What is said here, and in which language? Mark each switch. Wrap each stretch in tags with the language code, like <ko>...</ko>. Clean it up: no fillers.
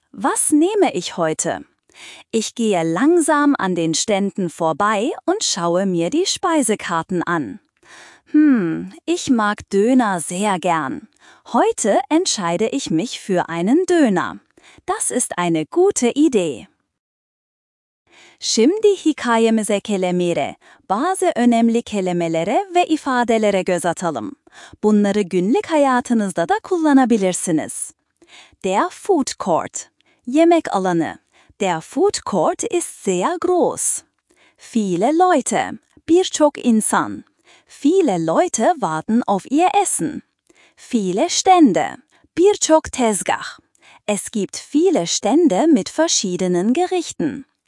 <de>Was nehme ich heute? Ich gehe langsam an den Ständen vorbei und schaue mir die Speisekarten an. Ich mag Döner sehr gern. Heute entscheide ich mich für einen Döner. Das ist eine gute Idee.</de> <tr>Şimdi hikayemize kelimeleri, bazı önemli kelimelere ve ifadelere göz atalım. Bunları günlük hayatınızda da kullanabilirsiniz.</tr> <de>Der Food Court.</de> <tr>Yemek alanı.</tr> <de>Der Food Court ist sehr groß. Viele Leute.</de> <tr>Birçok insan.</tr> <de>Viele Leute warten auf ihr Essen. Viele Stände.</de> <tr>Birçok tezgah.</tr> <de>Es gibt viele Stände mit verschiedenen Gerichten.</de>